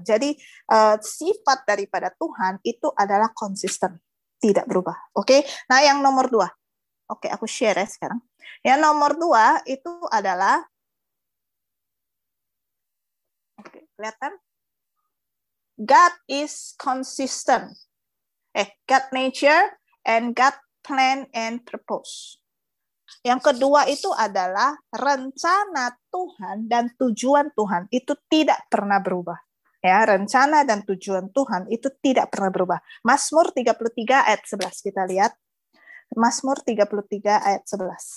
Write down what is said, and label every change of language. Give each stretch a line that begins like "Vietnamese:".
Indonesian: Jadi sifat daripada Tuhan itu adalah konsisten, tidak berubah. Oke. Okay? Nah, yang nomor 2. Oke, okay, aku share ya sekarang. Yang nomor 2 itu adalah kelihatan?
English: God is consistent. God nature and God plan and purpose.
Indonesian: Yang kedua itu adalah rencana Tuhan dan tujuan Tuhan itu tidak pernah berubah. Ya, rencana dan tujuan Tuhan itu tidak pernah berubah. Mazmur 33 ayat 11 kita lihat. Mazmur 33 ayat 11.